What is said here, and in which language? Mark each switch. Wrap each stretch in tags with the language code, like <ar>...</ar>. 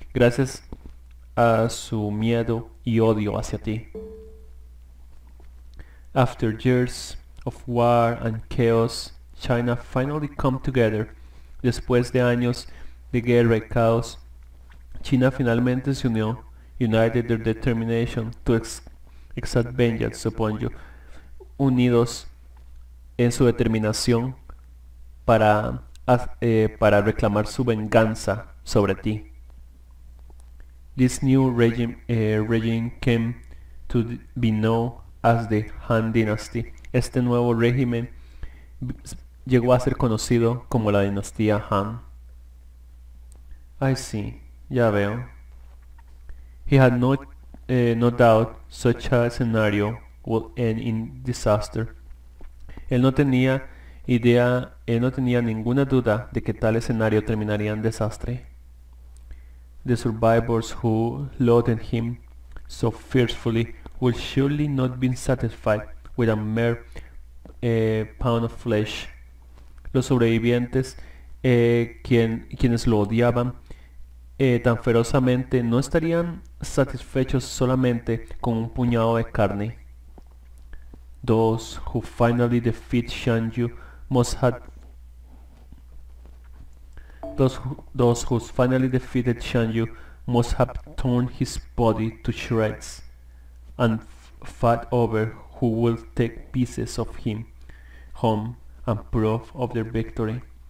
<es>Gracias a su miedo y odio hacia ti.</es> <en>After years of war and chaos, China finally come together.</en> <es>Después de años de guerra y caos, China finalmente se unió,</es> <en>united their determination to exact vengeance upon you.</en> <es>Unidos en su determinación para reclamar su venganza sobre ti.</es> <en>This new regime came to be known as the Han Dynasty.</en> <es>Este nuevo régimen llegó a ser conocido como la dinastía Han.</es> <en>I see,</en> <es>ya veo.</es> <en>He had no doubt such a scenario would end in disaster.</en> <es>Él no tenía ninguna duda de que tal escenario terminaría en desastre.</es> <en>The survivors who loathed him so fiercely would surely not have been satisfied with a mere pound of flesh.</en> <es>Los sobrevivientes, quienes lo odiaban tan ferozmente, no estarían satisfechos solamente con un puñado de carne.</es> <en>Those who finally defeat Xiang Yu must have Those who finally defeated Xiang Yu must have torn his body to shreds and fought over who will take pieces of him home and prove of their victory.</en>